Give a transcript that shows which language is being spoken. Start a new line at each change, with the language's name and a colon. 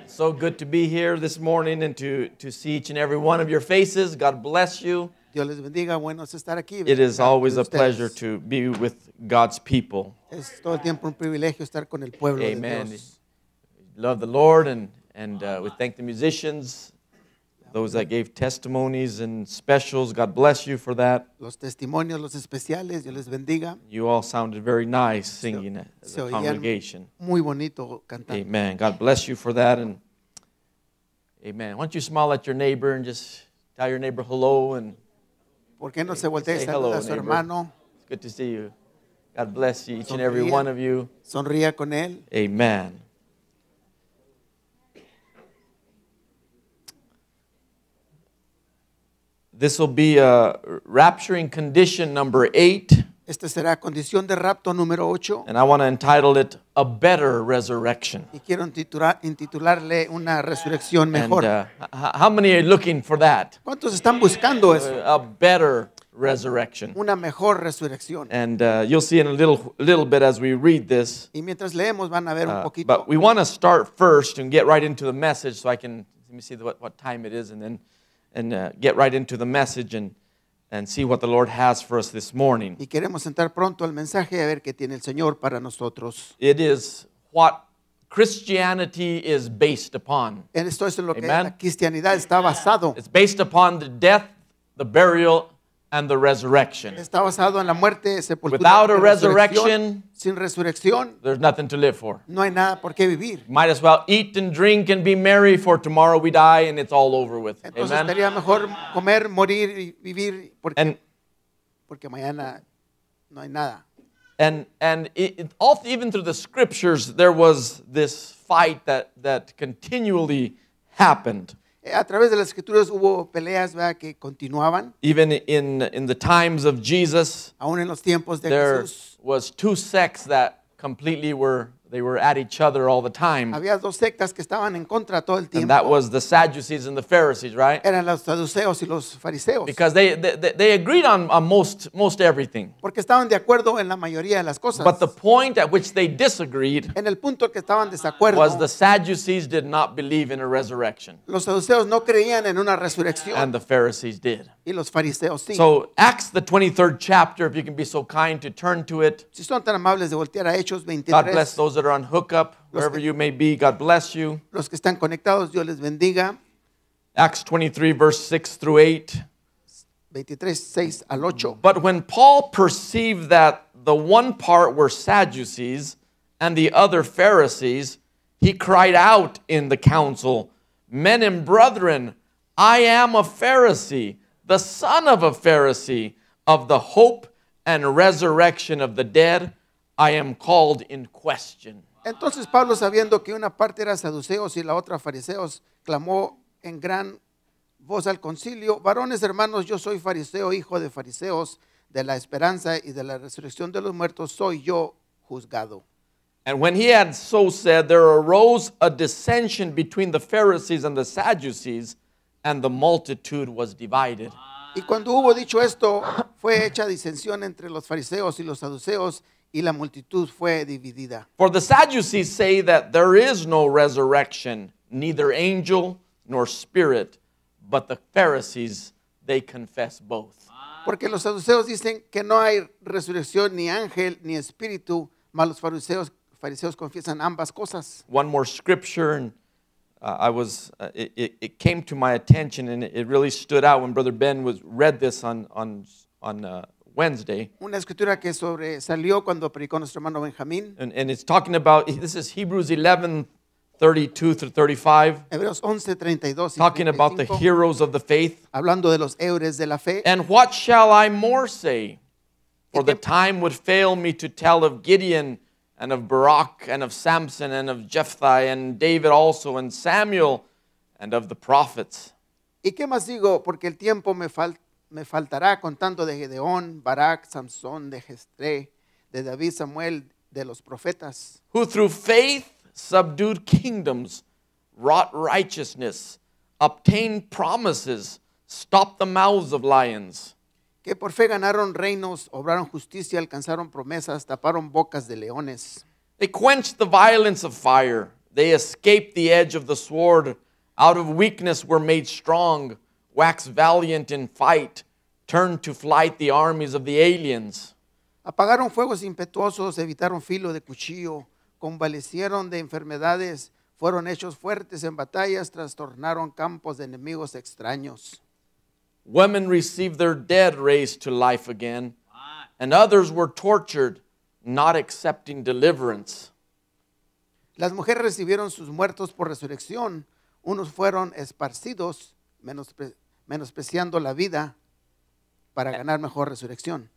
English: So good to be here this morning and to see each and every one of your faces. God bless you.
Spanish: Dios les bendiga. Bueno, es estar aquí.
English: It is always a pleasure to be with God's people.
Spanish: Es todo el tiempo un privilegio estar con el pueblo.
English: Amen.
Spanish: De Dios.
English: Love the Lord and we thank the musicians, those that gave testimonies and specials. God bless you for that.
Spanish: Los testimonios, los especiales, Dios les bendiga.
English: You all sounded very nice singing as a congregation.
Spanish: Muy bonito cantando.
English: Amen. God bless you for that. And amen. Why don't you smile at your neighbor and just tell your neighbor hello and
Spanish: ¿por qué no se voltea a saludar a su hermano?
English: It's good to see you. God bless you, each and every one of you.
Spanish: Sonría con él.
English: Amen. This will be a rapturing condition number 8.
Spanish: Esta será condición de rapto número 8.
English: And I want to entitle it A Better Resurrection.
Spanish: Y quiero intitularle una resurrección mejor.
English: How many are looking for that?
Spanish: ¿Cuántos están buscando eso?
English: A better resurrection.
Spanish: Una mejor resurrección.
English: And you'll see in a little bit as we read this.
Spanish: Y mientras leemos van a ver un poquito.
English: But we want to start first and get right into the message so I can let me see what time it is and then get right into the message and see what the Lord has for us this morning.
Spanish: Y queremos entrar pronto al mensaje a ver qué tiene el Señor para nosotros.
English: It is what Christianity is based upon.
Spanish: Esto es en lo que la cristianidad está basado.
English: It's based upon the death, the burial, and the resurrection.
Spanish: Está basado en la muerte, sepultura.
English: Without a resurrection,
Spanish: sin resurrección,
English: there's nothing to live for.
Spanish: No hay nada por qué vivir.
English: Might as well eat and drink and be merry, for tomorrow we die and it's all over with.
Spanish: Entonces, amen. Estaría mejor comer, morir y vivir porque mañana no hay nada.
English: And even through the scriptures, there was this fight that continually happened.
Spanish: A través de las escrituras hubo peleas, ¿verdad?, que continuaban.
English: Even in the times of Jesus,
Spanish: aún en los tiempos de
English: there
Spanish: Jesús,
English: was two sects that completely were at each other all the time.
Spanish: Había dos sectas que estaban en contra todo el tiempo.
English: And that was the Sadducees and the Pharisees, right?
Spanish: Eran los saduceos y los fariseos.
English: Because they agreed on most everything.
Spanish: Porque estaban de acuerdo en la mayoría de las cosas.
English: But the point at which they disagreed,
Spanish: en el punto que estaban de acuerdo,
English: was the Sadducees did not believe in a resurrection.
Spanish: Los saduceos no creían en una resurrección.
English: And the Pharisees did.
Spanish: Y los fariseos sí.
English: So Acts the 23rd chapter, if you can be so kind to turn to it.
Spanish: Si son tan amables de voltear a Hechos 23.
English: God bless those that are on hookup, wherever you may be, God bless you.
Spanish: Los que están conectados, Dios les bendiga.
English: Acts 23, verse 6 through 8.
Spanish: 23, 6 al 8.
English: But when Paul perceived that the one part were Sadducees and the other Pharisees, he cried out in the council, "Men and brethren, I am a Pharisee, the son of a Pharisee, of the hope and resurrection of the dead, I am called in question."
Spanish: Entonces Pablo, sabiendo que una parte era saduceos y la otra fariseos, clamó en gran voz al concilio, "Varones, hermanos, yo soy fariseo, hijo de fariseos, de la esperanza y de la resurrección de los muertos, soy yo juzgado."
English: And when he had so said, there arose a dissension between the Pharisees and the Sadducees, and the multitude was divided.
Spanish: Y cuando hubo dicho esto, fue hecha disensión entre los fariseos y los saduceos, y la multitud fue dividida.
English: For the Sadducees say that there is no resurrection, neither angel nor spirit, but the Pharisees, they confess both.
Spanish: Porque los saduceos dicen que no hay resurrección ni ángel ni espíritu, mas los fariseos confiesan ambas cosas.
English: One more scripture, and it came to my attention, and it really stood out when Brother Ben read this on Wednesday.
Spanish: Una escritura que sobresalió cuando predicó nuestro hermano Benjamín.
English: And it's talking about, this is Hebrews 11, 32 through 35.
Spanish: Hebreos 11, 32 y 35.
English: Talking about the heroes of the faith.
Spanish: Hablando de los héroes de la fe.
English: "And what shall I more say? For the time would fail me to tell of Gideon, and of Barak, and of Samson, and of Jephthah, and David also, and Samuel, and of the prophets."
Spanish: ¿Y qué más digo? Porque el tiempo me faltará contando de Gedeón, Barak, Samson, de Jestre, de David, Samuel, de los profetas.
English: "Who through faith subdued kingdoms, wrought righteousness, obtained promises, stopped the mouths of lions."
Spanish: Que por fe ganaron reinos, obraron justicia, alcanzaron promesas, taparon bocas de leones.
English: They quench the violence of fire. They escape the edge of the sword. Out of weakness were made strong, wax valiant in fight, turn to flight the armies of the aliens.
Spanish: Apagaron fuegos impetuosos, evitaron filo de cuchillo, convalecieron de enfermedades, fueron hechos fuertes en batallas, trastornaron campos de enemigos extraños.
English: Women received their dead raised to life again, and others were tortured, not accepting deliverance.
Spanish: Las mujeres recibieron sus muertos por resurrección. Unos fueron esparcidos, menospreciando la vida para ganar mejor resurrección.